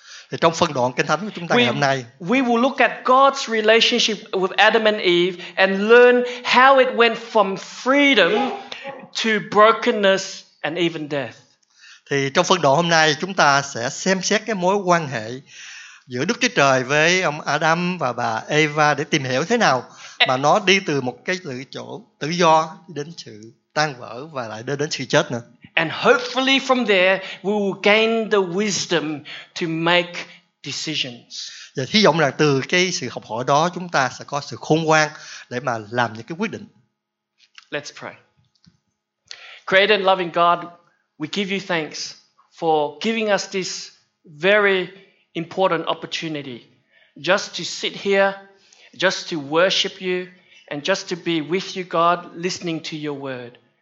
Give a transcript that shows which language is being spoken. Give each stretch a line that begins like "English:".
Vietnamese: thì trong phần đoạn kinh thánh của chúng ta ngày hôm nay,
English: we will look at God's relationship with Adam and Eve and learn how it went from freedom to brokenness and even death.
Vietnamese: Thì trong phần đoạn hôm nay chúng ta sẽ xem xét cái mối quan hệ giữa Đức Chúa Trời với ông Adam và bà Eva để tìm hiểu thế nào mà nó đi từ một cái sự chỗ tự do đến sự tan vỡ và lại đến sự chết nữa.
English: And hopefully from there we will gain the wisdom to make decisions.
Vietnamese: Và hy vọng rằng từ cái sự học hỏi đó chúng ta sẽ có sự khôn ngoan để mà làm những cái quyết định.
English: Let's pray. Creator and loving God, we give you thanks for giving us this very important opportunity just to sit here, just to worship you, and just to be with you, God, listening to your word.